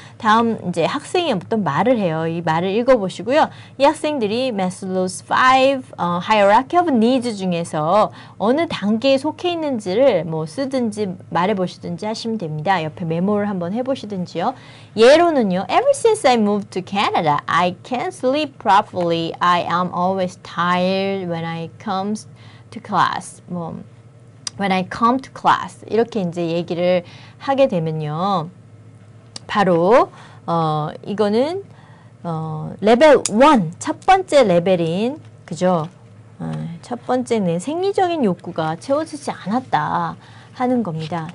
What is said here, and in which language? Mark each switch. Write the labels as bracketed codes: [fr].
[ko] 다음 이제 학생이 어떤 말을 해요. 이 말을 읽어보시고요. 이 학생들이 Maslow's Five Hierarchy of Needs 중에서 어느 단계에 속해 있는지를 뭐 쓰든지 말해보시든지 하시면 됩니다. 옆에 메모를 한번 해보시든지요. 예로는요. [en] Ever since I moved to Canada, I can't sleep properly. I am always tired when I come to class. [ko] 뭐, [en] When I come to class [ko] 이렇게 이제 얘기를 하게 되면요, 바로 이거는 레벨 1, 첫 번째 레벨인 그죠? 첫 번째는 생리적인 욕구가 채워지지 않았다 하는 겁니다.